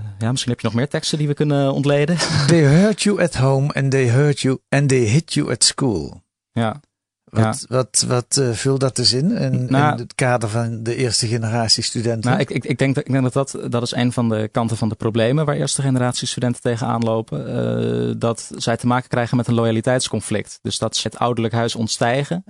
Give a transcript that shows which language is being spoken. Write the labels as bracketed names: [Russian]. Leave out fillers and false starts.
[Dutch] Misschien heb je nog meer teksten die we kunnen ontleden. [English] They hurt you at home and they hurt you and they hit you at school. [Dutch] Ja. Wat vult dat dus in het kader van de eerste generatie studenten? Nou, ik denk dat is een van de kanten van de problemen waar eerste generatie studenten tegenaan lopen. Dat zij te maken krijgen met een loyaliteitsconflict. Dus dat ze het ouderlijk huis ontstijgen.